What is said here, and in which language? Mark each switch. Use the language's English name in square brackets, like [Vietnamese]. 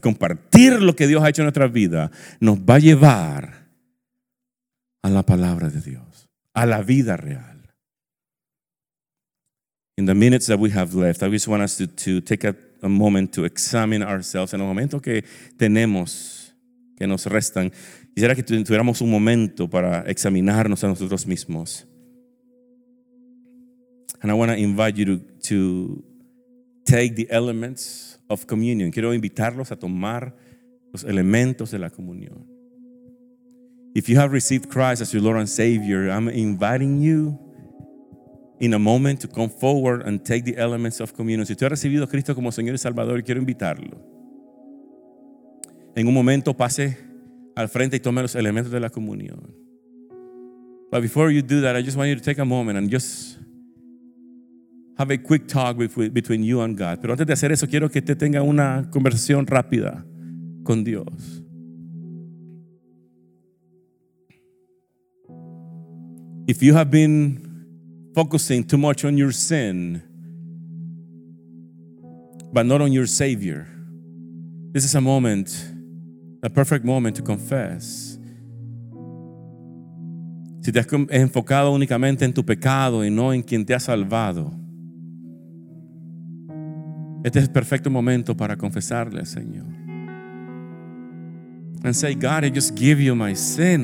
[Spanish] Compartir lo que Dios ha hecho en nuestra vida nos va a llevar a la palabra de Dios, a la vida real. [English] In the minutes that we have left, I just want us to take a moment to examine ourselves. [Spanish] En los momentos que tenemos, que nos restan, quisiera que tuviéramos un momento para examinarnos a nosotros mismos. [English] And I want to invite you to take the elements of communion. [Spanish] Quiero invitarlos a tomar los elementos de la comunión. [English] If you have received Christ as your Lord and Savior, I'm inviting you in a moment to come forward and take the elements of communion. [Spanish] Si usted ha recibido a Cristo como Señor y Salvador, quiero invitarlo. En un momento pase al frente y tome los elementos de la comunión. [English] But before you do that, I just want you to take a moment and just have a quick talk between you and God. [Spanish] Pero antes de hacer eso, quiero que usted tenga una conversación rápida con Dios. [English] If you have been focusing too much on your sin, but not on your Savior, this is a moment, a perfect moment to confess. [Spanish] Si te has enfocado únicamente en tu pecado y no en quien te ha salvado, este es el perfecto momento para confesarle al Señor. [English] And say, God, I just give you my sin.